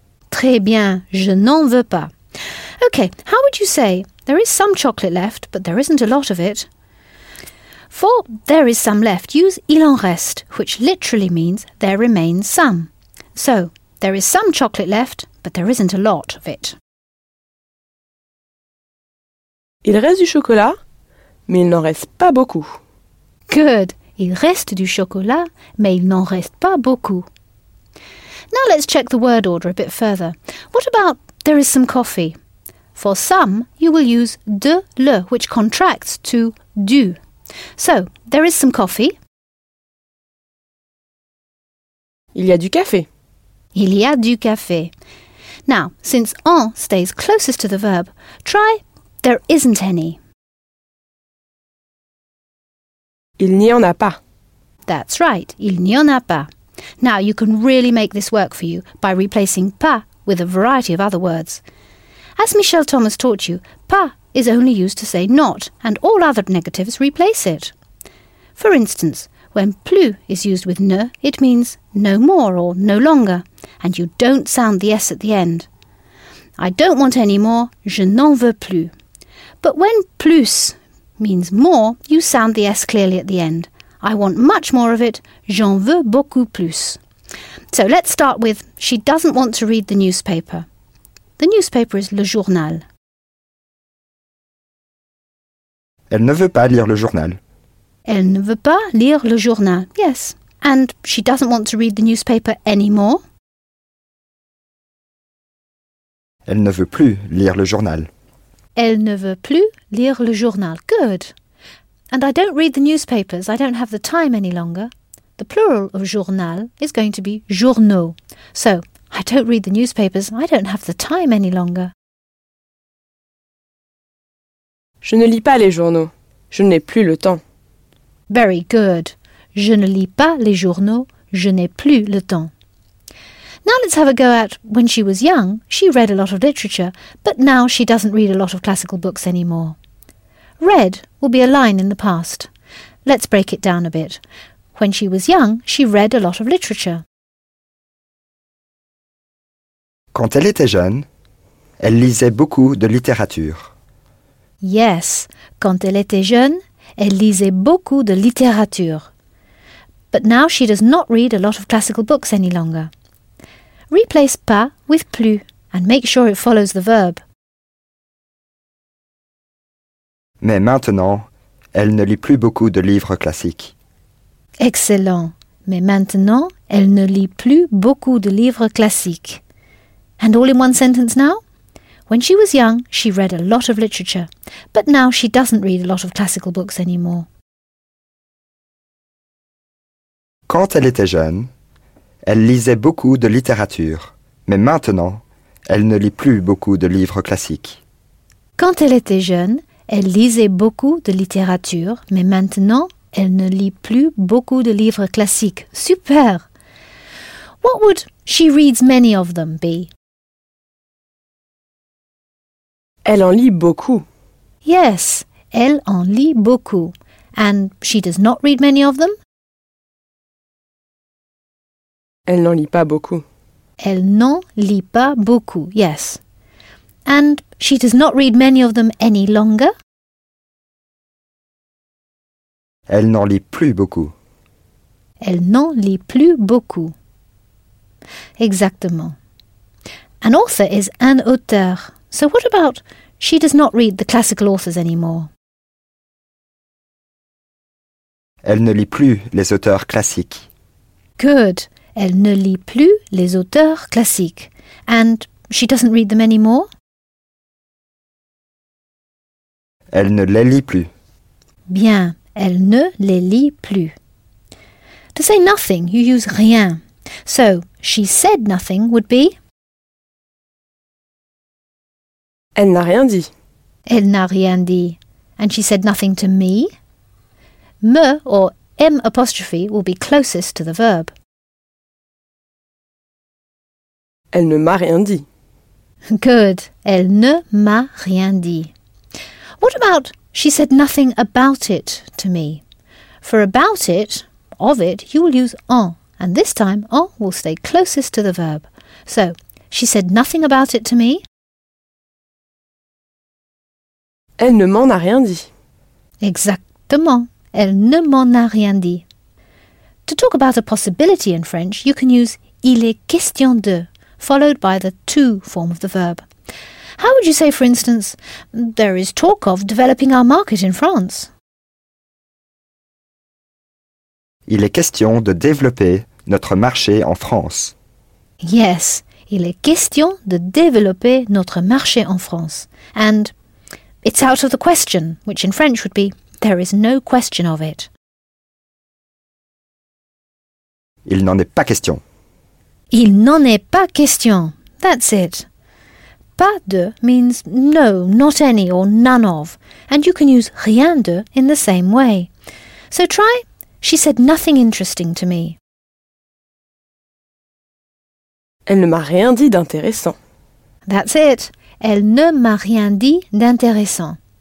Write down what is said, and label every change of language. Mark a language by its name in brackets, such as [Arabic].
[French] Très bien, je n'en veux pas. [English] Okay, how would you say, there is some chocolate left, but there isn't a lot of it? For there is some left, use [French] il en reste, [English] which literally means there remains some. So, there is some chocolate left, but there isn't a lot of it. [French] Il reste du chocolat, mais il n'en reste pas beaucoup. [English] Good. [French] Il reste du chocolat, mais il n'en reste pas beaucoup. [English] Now let's check the word order a bit further. What about there is some coffee? For some, you will use de le, which contracts to du. So, there is some coffee. [French] Il y a du café. Il y a du café. [English] Now, since en stays closest to the verb, try there isn't any. [French] Il n'y en a pas. [English] That's right, [French] il n'y en a pas. [English] Now, you can really make this work for you by replacing pas with a variety of other words. As Michel Thomas taught you, pas is only used to say not, and all other negatives replace it. For instance, when plus is used with ne, it means no more or no longer, and you don't sound the s at the end. I don't want any more, [French] je n'en veux plus. [English] But when plus means more, you sound the s clearly at the end. I want much more of it, [French] j'en veux beaucoup plus. [English] So let's start with, she doesn't want to read the newspaper. The newspaper is le journal. [French] Elle ne veut pas lire le journal. Elle ne veut pas lire le journal, [English] yes. And she doesn't want to read the newspaper anymore. [French] Elle ne veut plus lire le journal. Elle ne veut plus lire le journal. [English] Good. And I don't read the newspapers, I don't have the time any longer. The plural of journal is going to be journaux. So, I don't read the newspapers, I don't have the time any longer. [French] Je ne lis pas les journaux, je n'ai plus le temps. [English] Very good. [French] Je ne lis pas les journaux, je n'ai plus le temps. [English] Now let's have a go at when she was young, she read a lot of literature, but now she doesn't read a lot of classical books anymore. Read will be a line in the past. Let's break it down a bit. When she was young, she read a lot of literature. [French] Quand elle était jeune, elle lisait beaucoup de littérature. [English] Yes, [French] quand elle était jeune, elle lisait beaucoup de littérature. [English] But now she does not read a lot of classical books any longer. Replace pas with plus and make sure it follows the verb. [French] Mais maintenant, elle ne lit plus beaucoup de livres classiques. [English] Excellent. [French] Mais maintenant, elle ne lit plus beaucoup de livres classiques. [English] And all in one sentence now? When she was young, she read a lot of literature. But now she doesn't read a lot of classical books anymore. [French] Quand elle était jeune, elle lisait beaucoup de littérature. Mais maintenant, elle ne lit plus beaucoup de livres classiques. Quand elle était jeune, elle lisait beaucoup de littérature, mais maintenant, elle ne lit plus beaucoup de livres classiques. Super! [English] What would she reads many of them be? [French] Elle en lit beaucoup. [English] Yes, [French] elle en lit beaucoup. [English] And she does not read many of them? [French] Elle n'en lit pas beaucoup. Elle n'en lit pas beaucoup, [English] yes. And she does not read many of them any longer? [French] Elle n'en lit plus beaucoup. Elle n'en lit plus beaucoup. Exactement. [English] An author is [French] un auteur. [English] So what about she does not read the classical authors anymore? [French] Elle ne lit plus les auteurs classiques. [English] Good. [French] Elle ne lit plus les auteurs classiques. [English] And she doesn't read them anymore? [French] Elle ne les lit plus. Bien, elle ne les lit plus. [English] To say nothing, you use rien. So, she said nothing would be? [French] Elle n'a rien dit. Elle n'a rien dit. [English] And she said nothing to me? Me or m apostrophe will be closest to the verb. [French] Elle ne m'a rien dit. [English] Good. [French] Elle ne m'a rien dit. [English] What about she said nothing about it to me? For about it, of it, you will use en. And this time, en will stay closest to the verb. So, she said nothing about it to me. [French] Elle ne m'en a rien dit. Exactement. Elle ne m'en a rien dit. [English] To talk about a possibility in French, you can use [French] il est question de, [English] followed by the to form of the verb. How would you say, for instance, there is talk of developing our market in France? [French] Il est question de développer notre marché en France. [English] Yes, [French] Il est question de développer notre marché en France. [English] And it's out of the question, which in French would be there is no question of it. [French] Il n'en est pas question. Il n'en est pas question. [English] That's it. Pas de means no, not any or none of. And you can use rien de in the same way. So try, she said nothing interesting to me. [French] Elle ne m'a rien dit d'intéressant. [English] That's it. [French] Elle ne m'a rien dit d'intéressant.